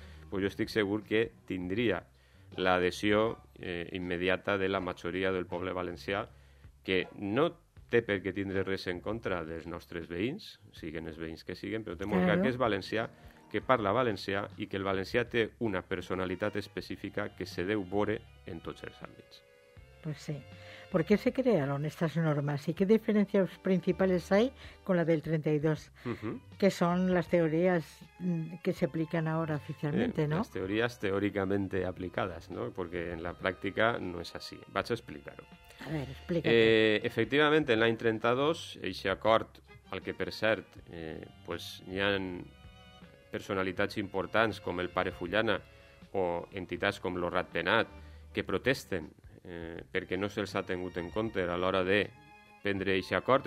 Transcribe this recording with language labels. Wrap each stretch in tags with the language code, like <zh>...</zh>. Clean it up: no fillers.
<ca>pues jo estic segur que tindria l'adhesió immediata de la majoria del poble valencià, que no té per què tindre res en contra dels nostres veïns, siguen els veïns que siguen, però té molt clar que és valencià, que parla valencià i que el valencià té una personalitat específica que se deu veure en tots els àmbits.</ca> <es>Pues sí. ¿Por qué se crearon estas normas y qué diferencias principales hay con la del 32? Uh-huh. Que son las teorías que se aplican ahora oficialmente, ¿no? Las teorías teóricamente aplicadas, ¿no? Porque en la práctica no es así.</es> <ca>Vaig a explicar-ho.</ca> <es>A ver, explícate.</es> <ca>Efectivamente, en l'any 32, eixe acord, al que per cert, pues, hi ha personalitats importants com el Pare Fullana o entitats com lo Ratpenat que protesten perquè no se'ls ha tingut en compte a l'hora de prendre eixe acord.</ca>